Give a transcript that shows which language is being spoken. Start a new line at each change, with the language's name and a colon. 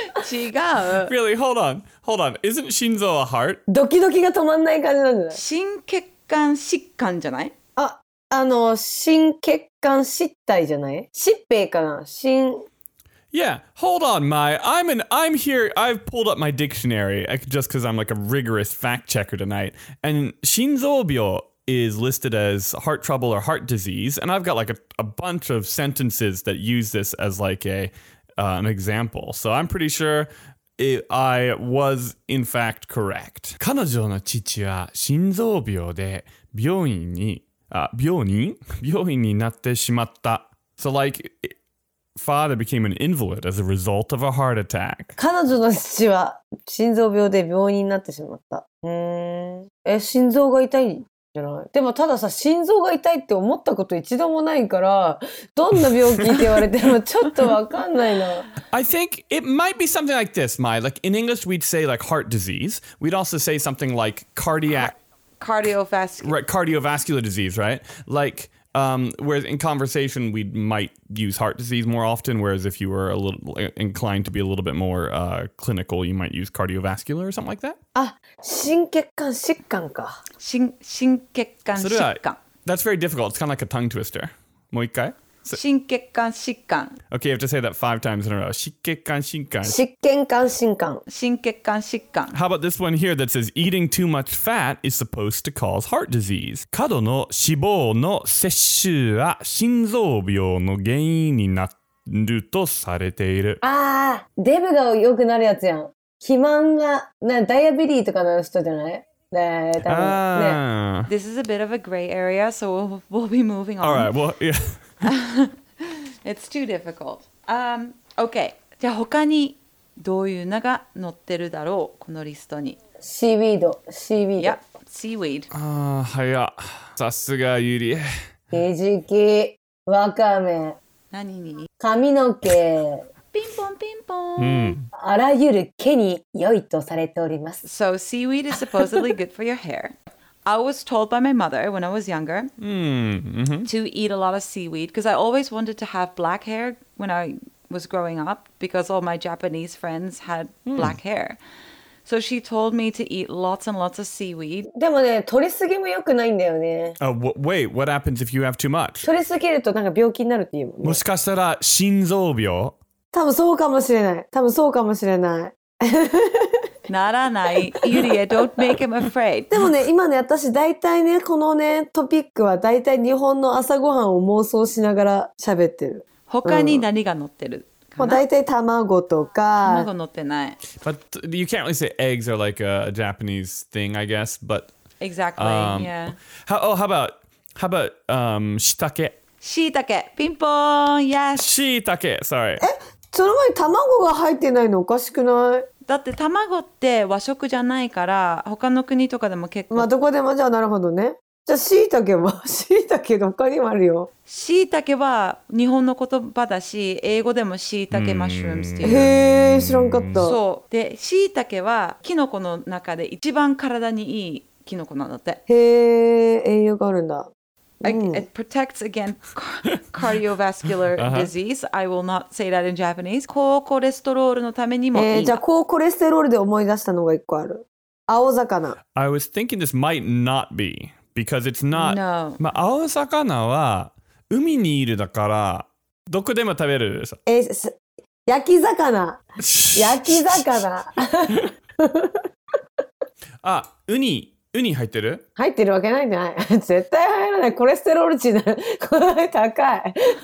Japanese: 違う。
English: Really, hold on, hold on. Isn't 心臓 a heart?
Japanese: ドキドキが止まんない感じなんじゃない？心血管疾患じゃない？あの心血管失態じゃない？疾病かな？心。
English: Yeah, hold on, Mai. I'm here. I've pulled up my dictionary just because I'm like a rigorous fact checker tonight. And 心臓病 is listed as heart trouble or heart disease. And I've got like a bunch of sentences that use this as like a an example. So I'm pretty sure it, I was in fact correct.
Japanese: 彼女の父は心臓病で病院になってしまった。
English: So like, father became an invalid as a result of a heart attack.
Japanese: 彼女の父は心臓病で病院になってしまった。うーん。え、心臓が痛いじゃない。でもたださ、心臓が痛いって思ったこと一度もないから、どんな病気って言われてもちょっとわかんないな。
English: I think it might be something like this, Mai. Like, in English we'd say like heart disease. We'd also say something like cardiovascular disease, right? Like, whereas in conversation we might use heart disease more often, whereas if you were a little inclined to be a little bit more clinical, you might use cardiovascular or something like that.
Japanese: Ah, 心血管疾患か。心血管疾患。
English: That's very difficult. It's kind of like a tongue twister.
Japanese: もう一回。心血管疾患。
English: Okay, you have to say that 5 times in a row.
Japanese: 心血管疾患。心血管疾患。
English: How about this one here that says eating too much fat is supposed to cause heart disease?
Japanese: 過度の脂肪の摂取は心臓病の原因になるとされている。ああ、デブが良くなるやつやん。肥満が、なダイアビリーとかの人じゃない？
English: This is a bit of a gray area, so we'll be moving on. All right, well, yeah. It's too difficult. Okay.
Japanese: じゃあ他にどういうのが載ってるだろうこのリストに。
English: Seaweed. Seaweed. Yep. Seaweed.
Japanese: Ah, 早。さすがユリ。ひじき、わかめ。何に？髪の毛。ピンポンピンポン。あらゆる毛に良いとされております。
English: So seaweed is supposedly good for your hair. I was told by my mother when I was younger to eat a lot of seaweed because I always wanted to have black hair when I was growing up because all my Japanese friends had black hair. So she told me to eat lots and lots of seaweed.
Japanese: でもね、取りすぎも良くないんだよね。
English: Wait, what happens if you have too much?
Japanese: 取りすぎるとなんか病気になるっていうもんね。もしかしたら心臓病？多分そうかもしれない。多分そうかもしれない。ならない。
English: ユリエ、don't make him afraid.
Japanese: でもね、今ね、私大体ね、このね、トピックは大体日本の朝ごはんを妄想しながら喋ってる。他に何が載ってるかな？まあ、大体卵とか。卵載ってない。
English: But you can't really say eggs are like a Japanese thing, I guess, but... Exactly, yeah. How about, shiitake? Shiitake, ping pong, yes! Shiitake, sorry.
Japanese: え、その前に卵が入ってないのおかしくない？だって卵って和食じゃないから他の国とかでも結構まあどこでもじゃあなるほどねじゃあ椎茸は椎茸の他にもあるよ椎茸は日本の言葉だし英語でも椎茸マッシュルームっていうへえ知らんかったそうで椎茸はキノコの中で一番体にいいキノコなんだってへえ栄養があるんだ
English: It protects against cardiovascular disease. I will not say that in Japanese.
Japanese: 高コレステロールのためにもいい。じゃあ高コレステロールで思い出したのが一個ある。青魚。
English: I was thinking this might not be because it's not. No.
Japanese: まあ青魚は海にいるだからどこでも食べる。焼き魚。焼き魚。あ、ウニ。ウニ入ってる？入ってるわけないじゃない。絶対入らない。コレステロール値高い。